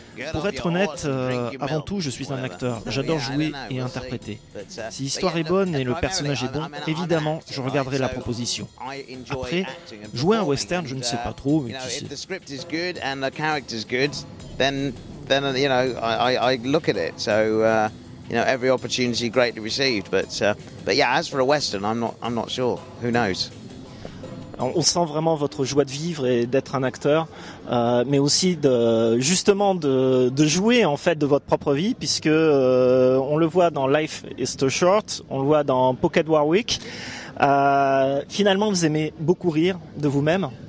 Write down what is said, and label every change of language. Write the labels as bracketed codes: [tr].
[fr] Pour être honnête, avant tout, je suis un acteur. J'adore jouer et interpréter. Si l'histoire est bonne et le personnage est bon, évidemment, je regarderai la proposition. Après, jouer un western, je ne sais pas trop, mais qui sait. Si le script est bon et le personnage est bon, je regarde. Donc, [en] you know, every opportunity greatly received. But yeah, as for a Western, I'm not sure. Who knows? [fr] On sent vraiment votre joie de vivre et d'être un acteur, mais aussi de jouer en fait de votre propre vie, puisque on le voit dans Life is Too Short, on le voit dans Pocket Warwick. Finalement, vous aimez beaucoup rire de vous-même.